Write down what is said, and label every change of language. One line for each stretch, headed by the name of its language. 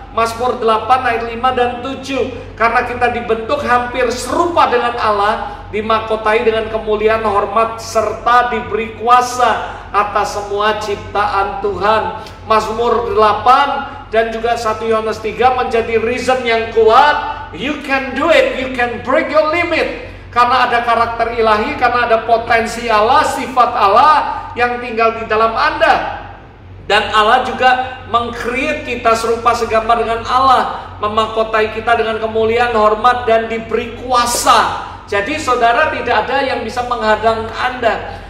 Indonesian: Mazmur 8 ayat 5 dan 7. Karena kita dibentuk hampir serupa dengan Allah, dimakotai dengan kemuliaan, hormat, serta diberi kuasa atas semua ciptaan Tuhan. Mazmur 8 dan juga 1 Yohanes 3 menjadi reason yang kuat.
English: You can do it, you can break your limit.
Indonesian: Karena ada karakter ilahi, karena ada potensi Allah, sifat Allah yang tinggal di dalam Anda. Dan Allah juga meng-create kita serupa segambar dengan Allah, memakotai kita dengan kemuliaan, hormat, dan diberi kuasa. Jadi saudara, tidak ada yang bisa menghadang Anda.